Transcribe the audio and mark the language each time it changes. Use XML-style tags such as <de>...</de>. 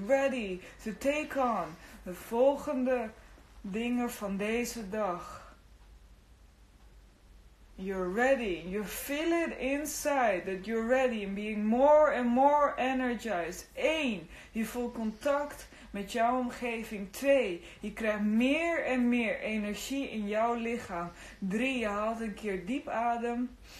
<en>Ready to take on</en> <nl>de volgende dingen van deze dag.</nl> <en>You're ready. You feel it inside that you're ready and being more and more energized. 1.</en> <nl>Je voelt contact met jouw omgeving. 2. Je krijgt meer en meer energie in jouw lichaam. 3. Je haalt een keer diep adem.</nl>